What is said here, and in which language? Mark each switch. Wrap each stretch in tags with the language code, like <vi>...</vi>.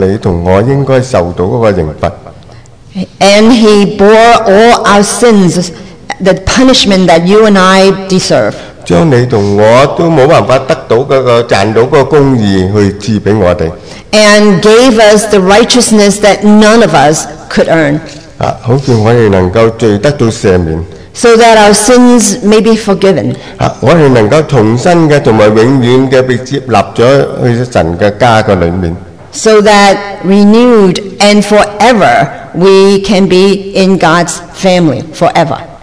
<zh>更加在十字架上背负你和我应该受到的刑罚。</zh> <en>And He bore all our sins, the punishment that you and I deserve.</en> <zh>将你和我都没办法得到的、赚到的公义去赐给我们。</zh> <en>And gave us the righteousness that none of us could earn.</en> <zh>好叫我们能够罪得到赦免。</zh> <en>So that our sins may be forgiven.</en> <zh>我们能够重新的和永远的被接纳在神的家里面。</zh> <en>So that renewed and forever we can be in God's family forever.</en>